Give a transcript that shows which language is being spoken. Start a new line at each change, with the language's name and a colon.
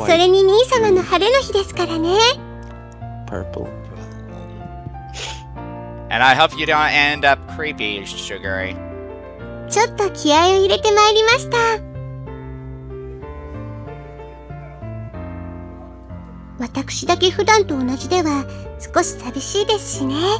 Japanese: それに兄様の晴れの日ですからね。
English: Purple. And I hope you don't end up creepy, Shiguri.
Japanese: ちょっと気合を入れてまいりました。私だけ普段と同じでは少し寂しいですしね。